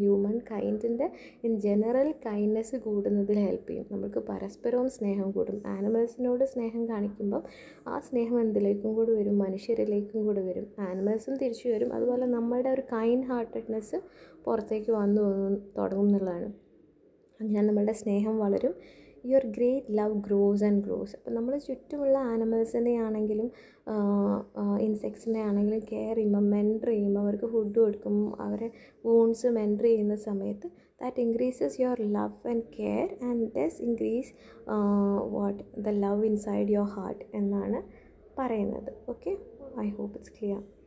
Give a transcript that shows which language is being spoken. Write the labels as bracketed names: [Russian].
[Malayalam] Human കൈൻഡിൻ്റെ in general kindness കൂടുന്നതിൽ help ചെയ്യും. നമുക്ക് പരസ്പരവും സ്നേഹം കൂടും. ആനിമൽസിനോട് സ്നേഹം കാണിക്കുമ്പം ആ സ്നേഹം എന്തിലേക്കും കൂടി വരും? മനുഷ്യരിലേക്കും കൂടി വരും. ആനിമൽസും തിരിച്ചു വരും. അതുപോലെ നമ്മളുടെ ഒരു കൈൻഡ് ഹാർട്ടഡ്നെസ് പുറത്തേക്ക് വന്നു തുടങ്ങും എന്നുള്ളതാണ്. അങ്ങനെ നമ്മളുടെ സ്നേഹം വളരും. [English] Your great love grows and grows. [Malayalam] അപ്പോൾ നമ്മൾ ചുറ്റുമുള്ള ആനിമൽസിനെ ആണെങ്കിലും ഇൻസെക്ട്സിനെ ആണെങ്കിലും കെയർ ചെയ്യുമ്പോൾ, മെൻഡർ ചെയ്യുമ്പോൾ, അവർക്ക് ഫുഡ് കൊടുക്കും, അവരെ വൂൺസ് മെൻഡർ ചെയ്യുന്ന സമയത്ത് [English] that increases your love and care and thus increase what the love inside your heart [Malayalam] എന്നാണ് പറയുന്നത്. [English] Okay, I hope it's clear.